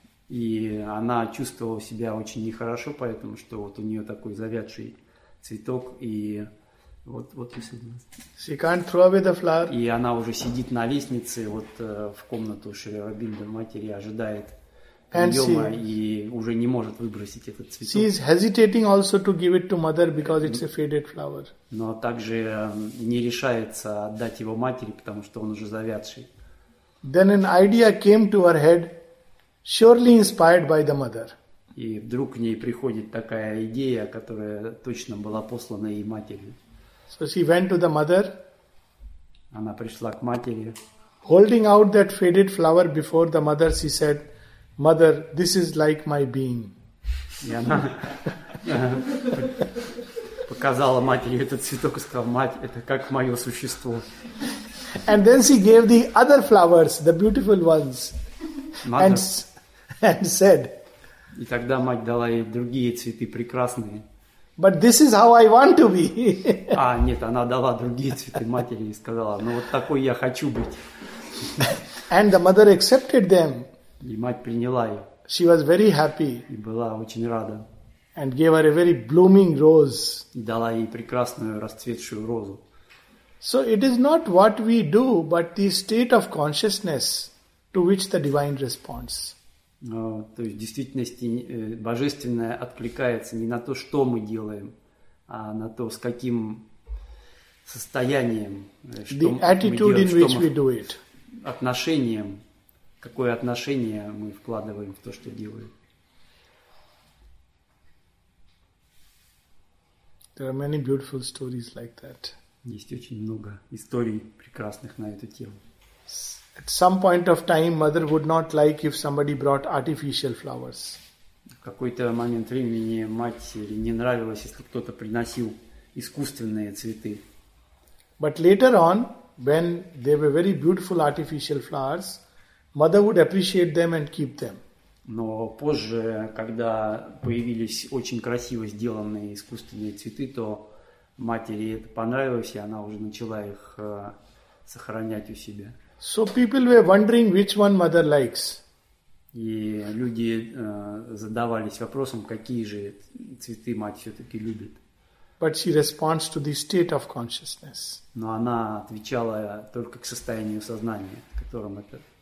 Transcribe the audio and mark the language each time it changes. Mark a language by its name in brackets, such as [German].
[Russian] И она чувствовала себя очень нехорошо, поэтому что вот у нее такой завядший цветок, и вот, вот и сидит. [English] She can't throw away the flower. [Russian] И она уже сидит на лестнице, вот в комнату Шри Аурбиндо матери, ожидает. И уже не может выбросить этот цветок. [English] She is hesitating also to give it to mother because it's a faded flower. [Russian] Но также не решается отдать его матери, потому что он уже завядший. [English] Then an idea came to her head, surely inspired by the mother. [Russian] И вдруг к ней приходит такая идея, которая точно была послана ей матерью. [English] So she went to the mother. [Russian] Она пришла к матери. [English] Holding out that faded flower before the mother, she said, Mother, this is like my being. [Russian] И она показала матери этот цветок и сказала, мать, это как мое существо. [English] And then she gave the other flowers, the beautiful ones, and said. [Russian] И тогда мать дала ей другие цветы прекрасные. [English] But this is how I want to be. [Russian] А, нет, она дала другие цветы матери и сказала, ну вот такой я хочу быть. [English] And the mother accepted them. [Russian] И мать приняла ее. [English] She was very happy. [Russian] И была очень рада. [English] And gave her a very blooming rose. [Russian] И дала ей прекрасную расцветшую розу. [English] So it is not what we do, but the state of consciousness to which the divine responds. [Russian] То есть в действительности божественное откликается не на то, что мы делаем, а на то, с каким состоянием, что мы делаем. [English] The attitude in which we do it. [Russian] Отношением. Какое отношение мы вкладываем в то, что делаем? [English] There are many beautiful stories like that. [Russian] Есть очень много историй прекрасных на эту тему. [English] At some point of time, mother would not like if somebody brought artificial flowers. [Russian] В какой-то момент времени матери не нравилось, если кто-то приносил искусственные цветы. [English] But later on, when there were very beautiful artificial flowers, mother would appreciate them and keep them. [Russian] Но позже, когда появились очень красиво сделанные искусственные цветы, то матери это понравилось, и она уже начала их сохранять у себя. [English] So people were wondering which one mother likes. [Russian] И люди задавались вопросом, какие же цветы мать все-таки любит. [English] But she responds to the state of consciousness. [Russian] Но она отвечала только к состоянию сознания, в котором это